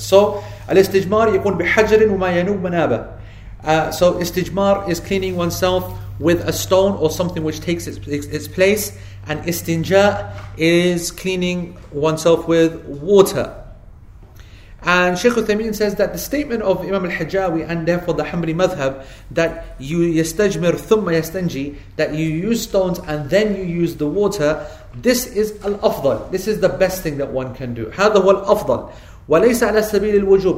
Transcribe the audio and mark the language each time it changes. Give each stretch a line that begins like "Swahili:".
Arabic: So, al-istijmar يكون بحجر وما ينوب منابه.
English: So, istijmar is cleaning oneself with a stone or something which takes its place. And istinja is cleaning oneself with water. And Shaykh Uthaymeen says that the statement of Imam al-Hajjawi and therefore the Hanbali madhab that you yastajmir thumma yastanji, that you use stones and then you use the water, this is al-afdal. This is the best thing that one can do.
Arabic: هذا هو الأفضل وليس على سبيل الوجوب.